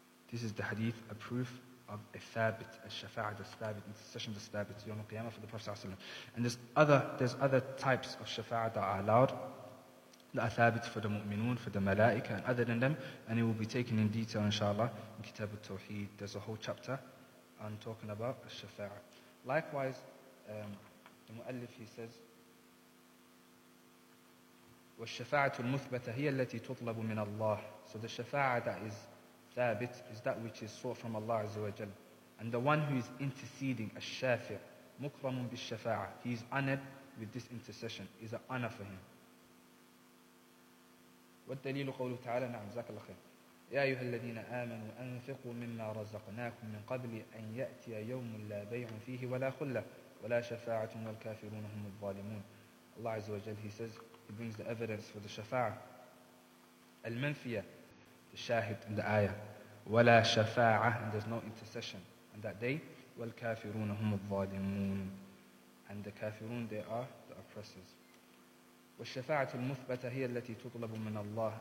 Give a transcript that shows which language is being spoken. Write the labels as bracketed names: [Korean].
[English] This is the hadith, a proof of a thabit, a shafa'ah, the thabit, intercession, the thabit, yawm al-qiyamah for the Prophet. And there's other types of shafa'ah that are allowed, the thabit for the mu'minun, for the malaika, and other than them, and it will be taken in detail, inshallah, in Kitab al-Tawheed. There's a whole chapter on talking about a shafa'ah. Likewise, the mu'allif, he says, [Arabic] والشفاعة المثبتة هي التي تطلب من الله. [English] So the shafa'ah that is ثابت is that which is sought from Allah عز وجل. And the one who is interceding, [Arabic] الشافع, مكرم بالشفاعة, [English] he is honored with this intercession. Is an honor for him. [Arabic] والدليل قوله تعالى نعم زاك الله خير. يا أيها الذين آمنوا أنفقوا مما رزقناكم من قبل أن يأتي يوم لا بيع فيه ولا خلة ولا شفاعة والكافرون هم الظالمون. [English] Allah عز وجل, he says, he brings the evidence for the shafa'ah. Al-manfiyah, the shahid in the ayah. [Arabic] Wala shafa'ah, [English] and there's no intercession on that day. [Arabic] Wal-kafiruna hum al-zalimun. [English] And the kafirun, they are the oppressors. [Arabic] Wal-shafa'ah al-muthbata hiya allati tutlabu min Allah.